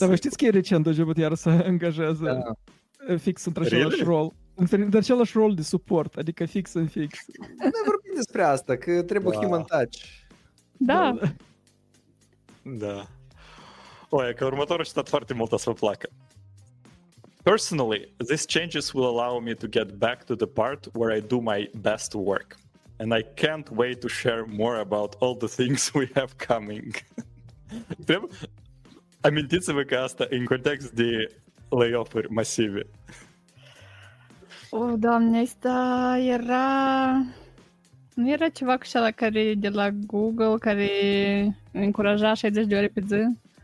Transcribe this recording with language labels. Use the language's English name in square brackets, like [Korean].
[Romanian] Dar vă știți că e recent o chatbot iar să angajează fix într-același rol? Dar același rol de suport, adică fix în fix. Noi vorbim despre asta, că trebuie [English] human touch. [Romanian] Da. Da. O, e că următorul citat foarte mult o să vă placă. [English] Personally, these changes will allow me to get back to the part where I do my best work. And I can't wait to share more about all the things we have coming. [Romanian] Amintiți-vă că asta în context de layoff-uri masive. O, Doamne, asta era... Nu era ceva cu ăla care de la Google, care încuraja 60 de ore pe zi?